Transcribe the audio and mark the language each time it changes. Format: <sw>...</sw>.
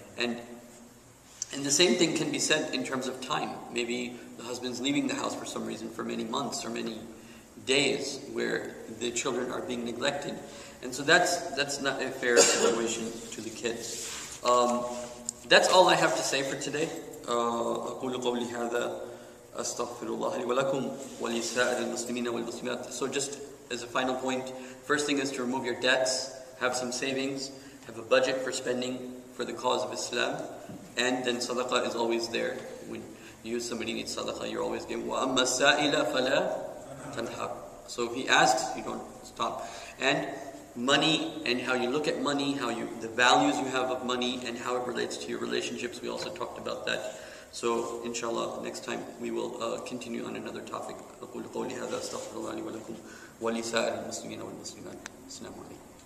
<en>And the same thing can be said in terms of time. Maybe the husband's leaving the house for some reason for many months or many days where the children are being neglected. And so that's not a fair situation to the kids. That's all I have to say for today.</en> <ar>أقول قولي هذا أستغفر الله لي ولكم ولسائر المسلمين والمسلمات.</ar> <en>So just as a final point, first thing is to remove your debts, have some savings, have a budget for spending for the cause of Islam. And then sadaqah is always there. When you, somebody needs sadaqah, you're always giving.</en> <ar>وَأَمَّا السَّائِلَ فَلَا تَنْحَرْ.</ar> <en>So if he asks, you don't stop. And money, and how you look at money, how you, the values you have of money, and how it relates to your relationships, we also talked about that. So inshallah, next time we will continue on another topic.</en> <ar>أَقُولُ قَوْلِ هَذَا أَسْتَغْفِرُ اللَّهِ وَلَكُمْ وَلِسَائِرِ الْمُسْلِمِينَ وَالْمُسْلِمَاتِ. السلام عليكم.</ar>